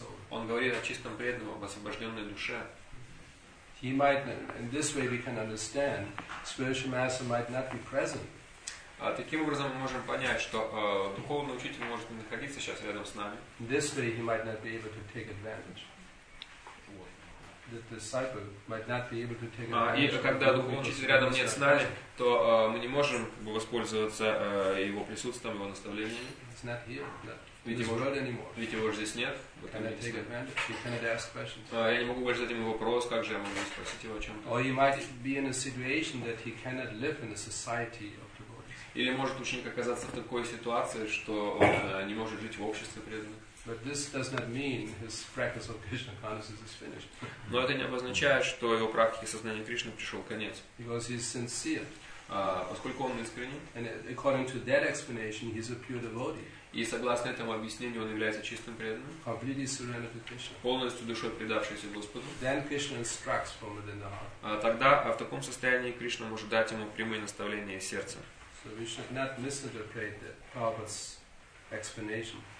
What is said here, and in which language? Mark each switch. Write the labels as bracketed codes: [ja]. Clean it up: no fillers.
[ru] Он говорит о чистом преданном, об освобожденной душе. [en] He might, in this way we can understand, spiritual master might not be present. [ru] Таким образом мы можем понять, что духовный учитель может не находиться сейчас рядом с нами. [en] This way he might not be able to take advantage. [ru] И когда духовный учитель рядом нет с нами, то мы не можем воспользоваться его присутствием, его наставлением. [en] It's not here, not in this world anymore. [ru] Ведь его же здесь нет. [en] Can I take advantage? You cannot ask questions. [ru] Я не могу больше задать ему вопрос, как же я могу спросить его о чем-то. [en] Or he might be in a situation that he cannot live in a society of devotees. [ru] Или может ученик оказаться в такой ситуации, что он не может жить в обществе преданных. [en] But this does not mean his practice of Krishna consciousness is finished. [ru] Но это не обозначает, что его практике сознания Кришны пришел конец. [en] Because he is sincere. [ru] Поскольку он искренен. [en] And according to that explanation, he is a pure devotee. [ru] И согласно этому объяснению, он является чистым преданным. [en] Completely surrendered to Krishna. [ru] Полностью душой предавшийся Господу. [en] Then Krishna instructs from within the heart. [ru] Тогда в таком состоянии Кришна может дать ему прямые наставления сердца. [en] So we should not misinterpret the Prabhupada's explanation.